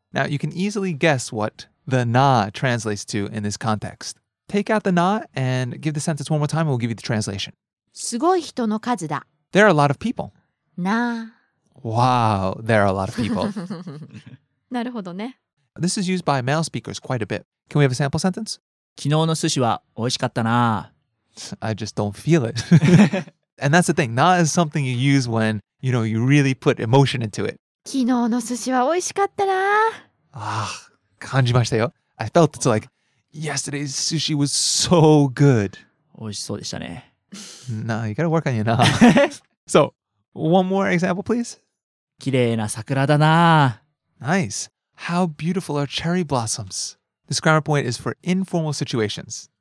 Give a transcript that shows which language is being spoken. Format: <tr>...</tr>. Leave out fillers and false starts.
<en>Now, you can easily guess what the na translates to in this context. Take out the na and give the sentence one more time and we'll give you the translation.</en> <ja>すごい人の数だ.</ja> <en>There are a lot of people.</en> <ja>な.</ja> <en>Wow, there are a lot of people.</en> <ja>なるほどね。</ja> <en>This is used by male speakers quite a bit. Can we have a sample sentence?</en> <ja>昨日の寿司は美味しかったな。</ja> <en>I just don't feel it. And that's the thing. Na is something you use when, you know, you really put emotion into it.</en> <ja>昨日の寿司は美味しかったな。感じましたよ。</ja> <en>I felt it's like, yesterday's sushi was so good.</en> <ja>美味しそうでしたね。</ja> <en>Nah, you gotta work on your na. So, one more example, please.</en> <ja>綺麗な桜だな。</ja> <en>Nice. How beautiful are cherry blossoms? This grammar point is for informal situations.</en>